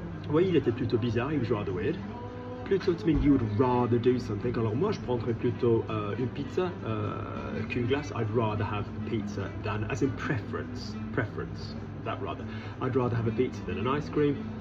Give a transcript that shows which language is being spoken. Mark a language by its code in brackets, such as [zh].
[fr] Oui, il était plutôt bizarre, [en] he was rather weird. Plutôt to mean you would rather do something. [fr] Alors moi, je prendrais plutôt une pizza qu'une glace. [en] I'd rather have a pizza than, as in preference, that rather. I'd rather have a pizza than an ice cream.